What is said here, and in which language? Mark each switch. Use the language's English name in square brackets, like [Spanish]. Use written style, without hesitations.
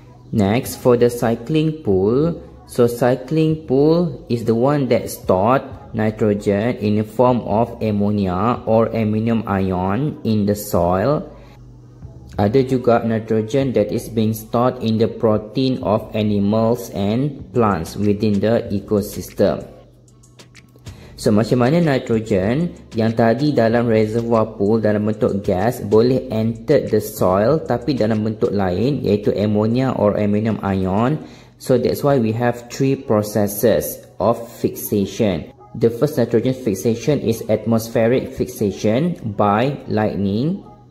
[English] Next, for the cycling pool, so cycling pool is the one that stored nitrogen in the form of ammonia or aluminium ion in the soil. [Malay] Ada juga [English] nitrogen that is being stored in the protein of animals and plants within the ecosystem. [Malay] So macam mana nitrogen yang tadi dalam reservoir pool dalam bentuk gas boleh [English] enter the soil [Malay] tapi dalam bentuk lain, iaitu ammonia or aluminium ion? [English] So that's why we have three processes of fixation. The first nitrogen fixation is atmospheric fixation by lightning.